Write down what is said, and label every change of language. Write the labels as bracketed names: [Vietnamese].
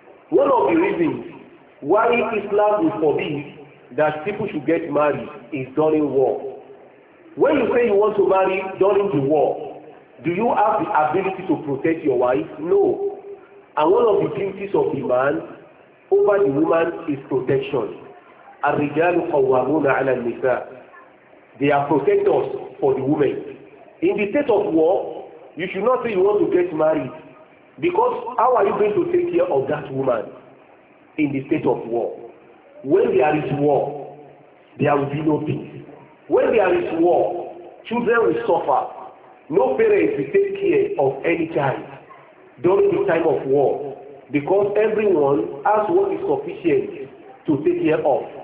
[English] One of the reasons why Islam will forbid that people should get married is during war. When you say you want to marry during the war, do you have the ability to protect your wife? No. And one of the duties of the man over the woman is protection. [Arabic] الرجال قوامون على النساء. [English] They are protectors for the women. In the state of war, you should not say you want to get married, because how are you going to take care of that woman in the state of war? When there is war, there will be no peace. When there is war, children will suffer. No parents will take care of any child during the time of war, because everyone has what is sufficient to take care of.